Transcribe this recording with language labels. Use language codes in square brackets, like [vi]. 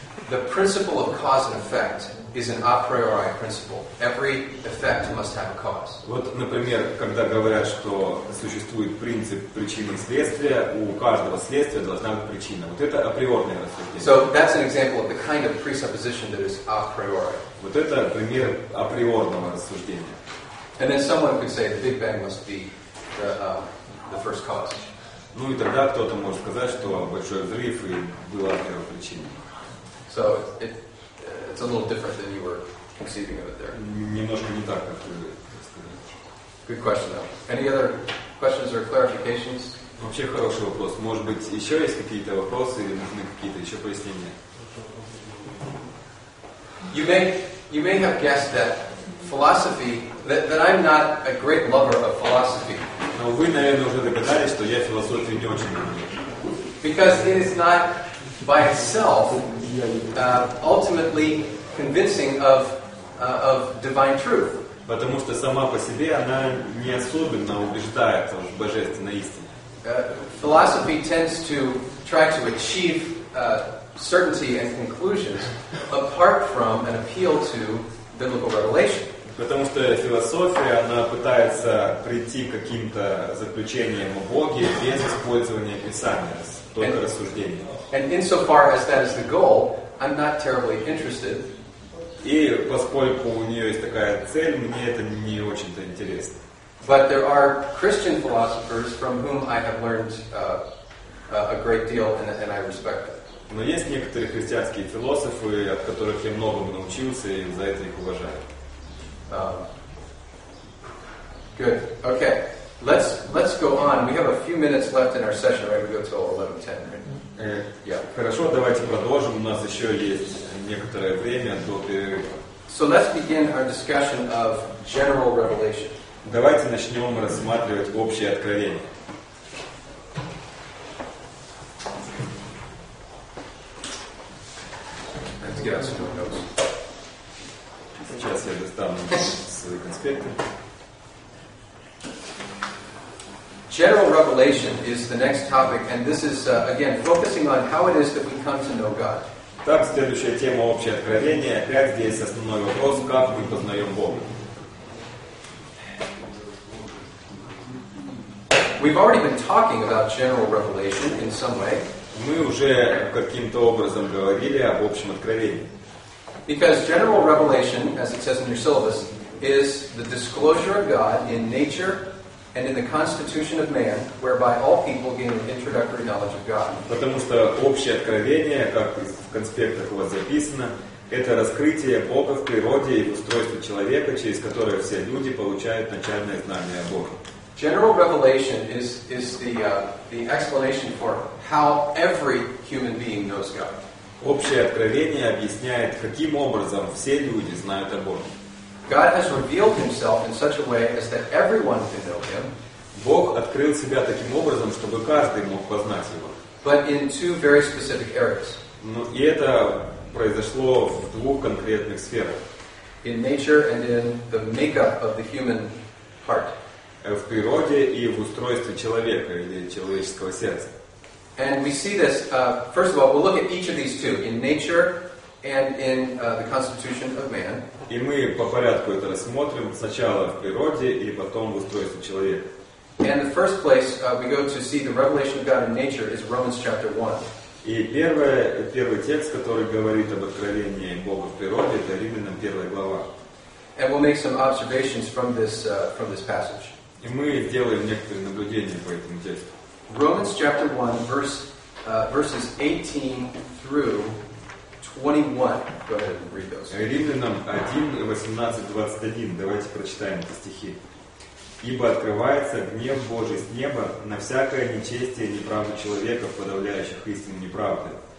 [en] The principle of cause and effect is an a priori principle. Every effect must have a cause. [ru] Вот, например, когда говорят, что существует принцип причины и следствия, у каждого следствия должна быть причина. Вот это априорное рассуждение. [en] So that's an example of the kind of presupposition that is a priori. [ru] Вот это пример априорного рассуждения. [en] And then someone could say the Big Bang must be the first cause. [ru] Ну и тогда кто-то может сказать, что большой взрыв и была первопричиной. [en] So it's a little different than you were conceiving of it there. [ru] Немножко не так, как вы. [en] Good question, though. Any other questions or clarifications? [ru] Вообще хороший вопрос. Может быть, еще есть какие-то вопросы или нужны какие-то еще пояснения? [en] You may have guessed that philosophy that I'm not a great lover of philosophy. [ru] Но вы, наверное, уже догадались, что я философию не очень люблю. [en] Because it is not by itself ultimately convincing of divine truth. [ru] Потому что сама по себе она не особенно убеждает в божественной истине. [en] Philosophy tends to try to achieve certainty and conclusions apart from an appeal to biblical revelation. [ru] Потому что философия, она пытается прийти к каким-то заключениям о Боге без использования Писания, только рассуждения. [en] And insofar as that is the goal, I'm not terribly interested. [ru] И поскольку у нее есть такая цель, мне это не очень-то интересно. [en] But there are Christian philosophers from whom I have learned a great deal, and I respect them. [ru] Но есть некоторые христианские философы, от которых я многому научился, и за это их уважаю. [en] Good. Okay. Let's go on. We have a few minutes left in our session, right? We go till 11:10, right? Yeah. [ru] Хорошо, давайте продолжим. У нас еще есть некоторое время до перерыва. [en] So let's begin our discussion of general revelation. [ru] Давайте начнем рассматривать общее откровение. [en] Let's get out some more notes. [ru] Сейчас я достану свои конспекты. [en] General revelation is the next topic, and this is again focusing on how it is that we come to know God. [ru] Так, следующая тема общее откровение. Опять здесь основной вопрос, как мы познаем Бога. [en] We've already been talking about general revelation in some way. [ru] Мы уже каким-то образом говорили об общем откровении. [en] Because general revelation, as it says in your syllabus, is the disclosure of God in nature and in the constitution of man, whereby all people gain an introductory knowledge of God. [ru] Потому что общее откровение, как в конспектах у вас записано, это раскрытие Бога в природе и в устройстве человека, через которое все люди получают начальное знание о Боге. [en] General revelation is the explanation for how every human being knows God. [ru] Общее откровение объясняет, каким образом все люди знают о Боге. [en] God has revealed himself in such a way as that everyone can know him. [ru] Бог открыл себя таким образом, чтобы каждый мог познать его. [en] But in two very specific areas. [ru] Ну, и это произошло в двух конкретных сферах. [en] In nature and in the makeup of the human heart. [ru] В природе и в устройстве человека или человеческого сердца. [en] And we see this, first of all, we'll look at each of these two, in nature and in the constitution of man. [ru] И мы по порядку это рассмотрим, сначала в природе и потом в устройстве человека. [en] And the first place we go to see the revelation of God in nature is Romans chapter 1. [ru] И первый текст, который говорит об откровении Бога в природе, это Римлянам 1 глава. [en] And we'll make some observations from this passage. [ru] И мы сделаем некоторые наблюдения по этому тексту. [en] Romans chapter 1, verses 18 through 21. Go ahead and read those. [ru] Римлянам 1:18-21. Давайте прочитаем эти стихи. Ибо открывается гнев Божий с неба на всякое нечестие и неправду человеков, подавляющих истину неправды.